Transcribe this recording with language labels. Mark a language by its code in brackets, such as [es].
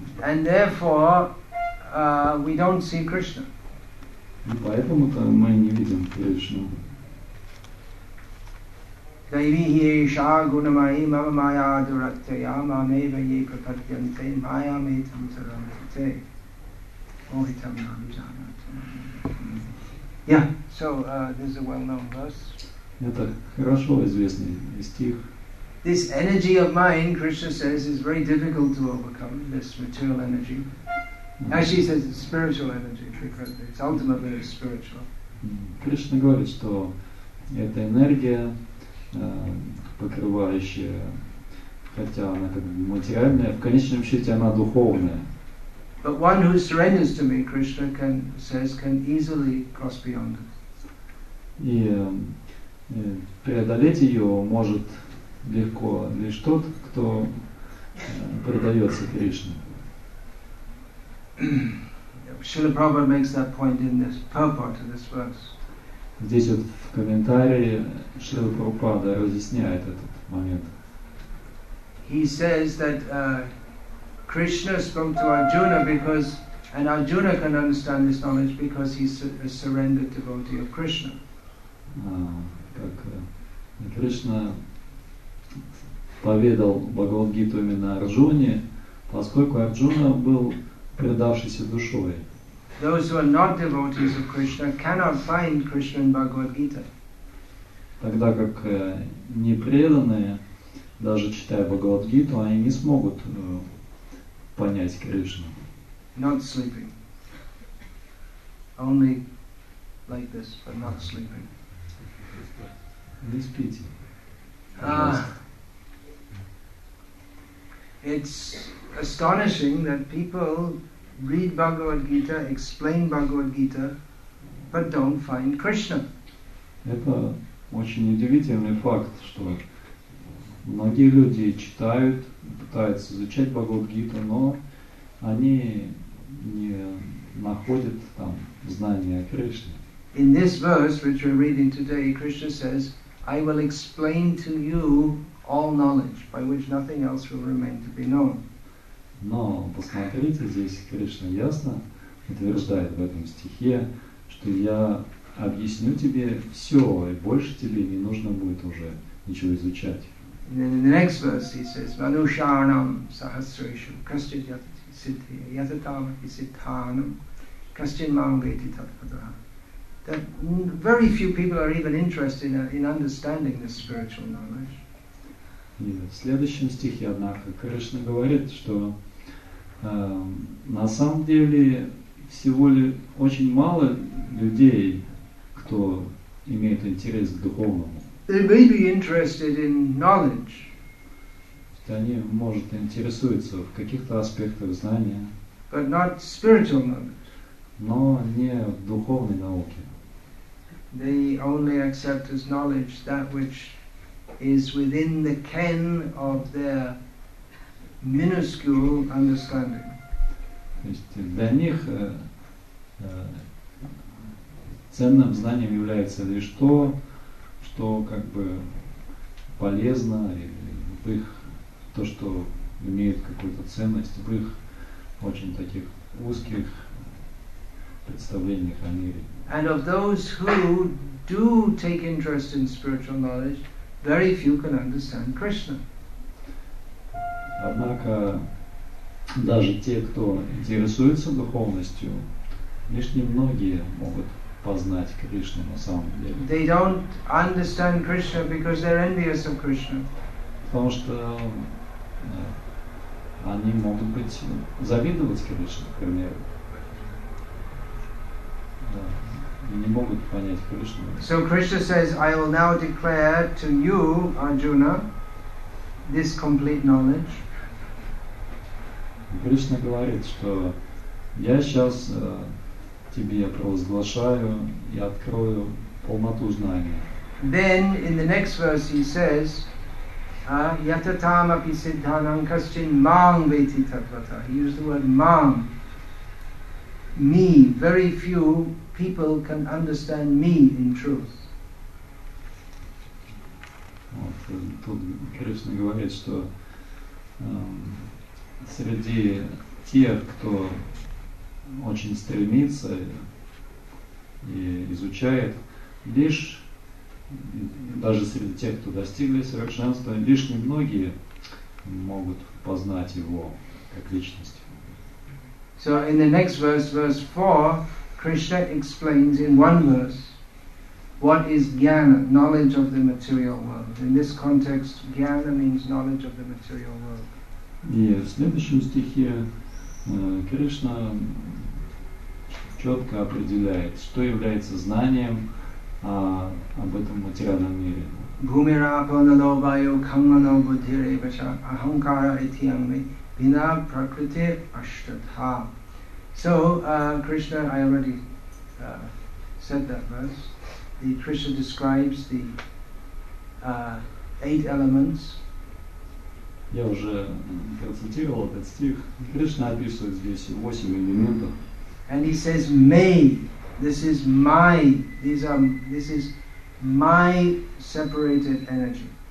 [en] And therefore, we don't see Krishna. [ru] И поэтому-то мы не видим Кришну. [sa] Дайвихи еша гунамаи мама мая дураттая маме вайе прападьянте мая ме там сарамите. Охитам навиджана. [en] Yeah, so this is a well-known verse. [ru] Это хорошо известный стих. [en] This energy of mine, Krishna says, is very difficult to overcome, this material energy. Actually, he says it's spiritual energy, because it's ultimately spiritual. [ru] Кришна говорит, что эта энергия, покрывающая, хотя она как бы материальная, в конечном счете она духовная. [en] But one who surrenders to me, Krishna says, can easily cross beyond it. [ru] И преодолеть ее может легко лишь тот, кто предается Кришне. [en] Srila Prabhupada makes that point in this purport of this verse. [ru] Здесь вот в комментарии Шрила Прабхупада разъясняет этот момент. [en] He says that Krishna spoke to Arjuna because, and Arjuna can understand this knowledge because he's a surrendered devotee of Krishna. [ru] Как Кришна поведал Бхагавад-гиту именно Арджуне, поскольку Арджуна был предавшийся душой. [en] Those who are not devotees of Krishna cannot find Krishna in Bhagavad-gita. [ru] Тогда как непреданные, даже читая Бхагавад-гиту, они не смогут понять Кришну. [en] Not sleeping. Only like this, but not sleeping. [ru] Не спите. [en] It's astonishing that people read Bhagavad-gita, explain Bhagavad-gita, but don't find Krishna. [ru] Это очень удивительный факт, что многие люди читают, пытаются изучать Бхагавад-гиту, но они не находят там знания о Кришне. [en] In this verse, which we're reading today, Krishna says, I will explain to you all knowledge, by which nothing else will remain to be known. [ru] Но посмотрите, здесь Кришна ясно утверждает в этом стихе, что я объясню тебе все, и больше тебе не нужно будет уже ничего изучать. [en] And then in the next verse he says, [sa] Manusharanam sahasrishum kastyajati siddhya yatatam isithanam kastyamam veti tatpadra. [en] That very few people are even interested in understanding this spiritual knowledge. [ru] И в следующем стихе, однако, Кришна говорит, что на самом деле всего лишь очень мало людей, кто имеет интерес к духовному. [en] They may be interested in knowledge. [ru] Они, может, интересуются в каких-то аспектах знания, [en] but not spiritual knowledge. [ru] Но не в духовной науке. [en] They only accept as knowledge that which is within the ken of their minuscule understanding. [ru] То есть для них ценным знанием является лишь то, что как бы полезно, то, что имеет какую-то ценность в их очень таких узких представлениях о мире. [en] And of those who do take interest in spiritual knowledge, very few can understand Krishna. [ru] Однако даже те, кто интересуется духовностью, лишь немногие могут познать Кришну на самом деле. [en] They don't understand Krishna because they're envious of Krishna. [ru] Потому что они могут быть завидовать Кришне, к примеру. Да. Не могут понять Кришну. [en] So Krishna says, I will now declare to you, Arjuna, this complete knowledge. [ru] Кришна говорит, что я сейчас тебе провозглашаю и открою полноту знания. [en] Then in the next verse he says, [sa] Yatatam api siddhanam kaschin mam veti tatvata. [en] He used the word mam. Me, very few people can understand me in truth. [ru] Вот, тут Кришна говорит, что среди тех, кто очень стремится и изучает, лишь даже среди тех, кто достигли совершенства, лишь немногие могут познать его как личность. [en] So in the next verse, verse 4, Krishna explains in one verse what is jnana, knowledge of the material world. In this context, jnana means knowledge of the material world. [ru] И в следующем стихе Кришна четко определяет, что является знанием об этом материальном мире. [sa] Bhumira apanalo vayo kamano buddhire vasha ahankara ityangme vina prakriti ashtadha. [en] So, Krishna, I already said that verse. the Krishna describes the eight elements. [ru] Я уже процитировал этот стих. Кришна описывает здесь восемь элементов. [en] And he says, "May, this is my, this is my separated energy."